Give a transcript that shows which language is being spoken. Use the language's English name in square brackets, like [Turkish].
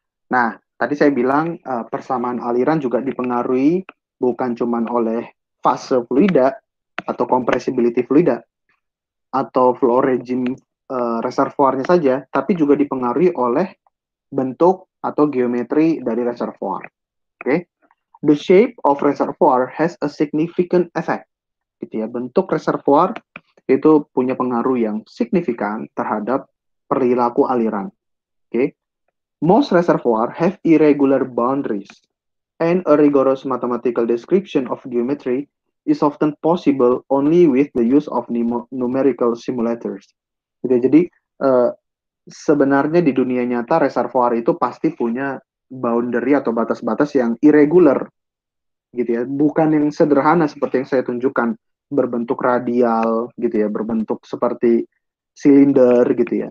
[Indonesian] Nah, tadi saya bilang persamaan aliran juga dipengaruhi bukan cuma oleh fase fluida atau compressibility fluida atau flow regime reservoirnya saja, tapi juga dipengaruhi oleh bentuk atau geometri dari reservoir. Oke. [English] The shape of reservoir has a significant effect. [Indonesian] Gitu ya, bentuk reservoir itu punya pengaruh yang signifikan terhadap perilaku aliran. Oke. [English] Most reservoirs have irregular boundaries, and a rigorous mathematical description of geometry is often possible only with the use of numerical simulators. [Indonesian] Jadi, sebenarnya di dunia nyata, reservoir itu pasti punya boundary atau batas-batas yang irregular, gitu ya. Bukan yang sederhana seperti yang saya tunjukkan, berbentuk radial, gitu ya, berbentuk seperti silinder, gitu ya.